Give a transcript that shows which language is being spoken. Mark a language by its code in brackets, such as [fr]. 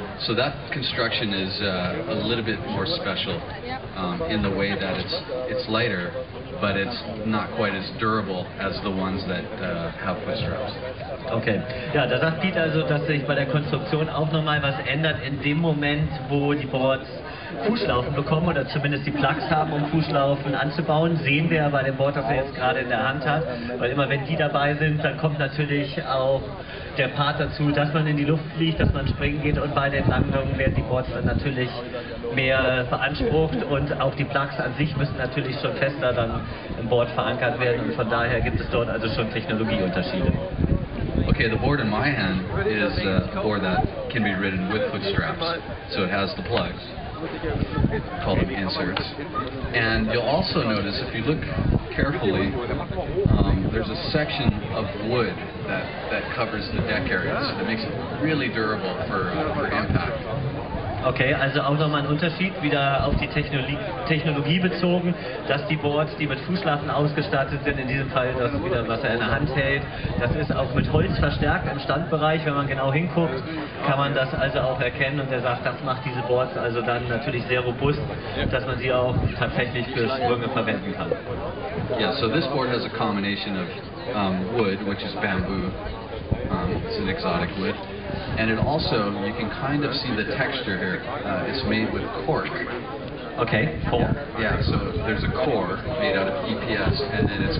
[en] So that construction is a little bit more special in the way that it's lighter, but it's not quite as durable as the ones that have foot straps. Okay. [de] Ja, da sagt Peter also, dass sich bei der Konstruktion auch nochmal was ändert in dem Moment, wo die Boards Fußlaufen bekommen oder zumindest die Plugs haben, um Fußlaufen anzubauen. Sehen wir ja bei dem Board, das er jetzt gerade in der Hand hat. Weil immer wenn die dabei sind, dann kommt natürlich auch der Part dazu, dass man in die Luft fliegt, dass man springen geht, und bei den Landungen werden die Boards dann natürlich mehr beansprucht, und auch die Plugs an sich müssen natürlich schon fester dann im Board verankert werden, und von daher gibt es dort also schon Technologieunterschiede. [en] Okay, the board in my hand is a board that can be ridden with foot straps, so it has the plugs. Call them inserts. And you'll also notice, if you look carefully, there's a section of wood that covers the deck areas. It makes it really durable for impact. [de] Okay, also auch nochmal ein Unterschied, wieder auf die Technologie bezogen, dass die Boards, die mit Fußlaufen ausgestattet sind, in diesem Fall das wieder, was er in der Hand hält, das ist auch mit Holz verstärkt im Standbereich. Wenn man genau hinguckt, kann man das also auch erkennen, und er sagt, das macht diese Boards also dann natürlich sehr robust, dass man sie auch tatsächlich für Sprünge verwenden kann. [en] Yeah, so this board has a combination of wood, which is bamboo. It's an exotic wood. And it also, you can kind of see the texture here. It's made with cork. Okay, cork. Yeah, so there's a core made out of EPS, and then it's